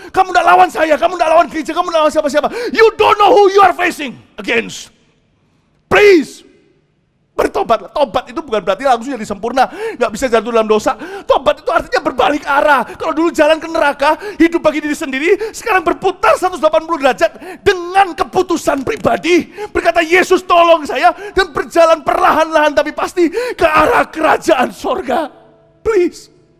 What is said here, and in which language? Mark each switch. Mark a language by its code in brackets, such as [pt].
[id] Kamu tidak lawan saya, kamu tidak lawan gereja, kamu tidak lawan siapa-siapa. [en] You don't know who you are facing against. [id] Please, bertobatlah. Tobat itu bukan berarti langsung jadi sempurna, tidak bisa jatuh dalam dosa. Tobat itu artinya berbalik arah. Kalau dulu jalan ke neraka, hidup bagi diri sendiri, sekarang berputar 180 derajat dengan keputusan pribadi. Berkata, Yesus tolong saya, dan berjalan perlahan-lahan tapi pasti ke arah kerajaan sorga. Please.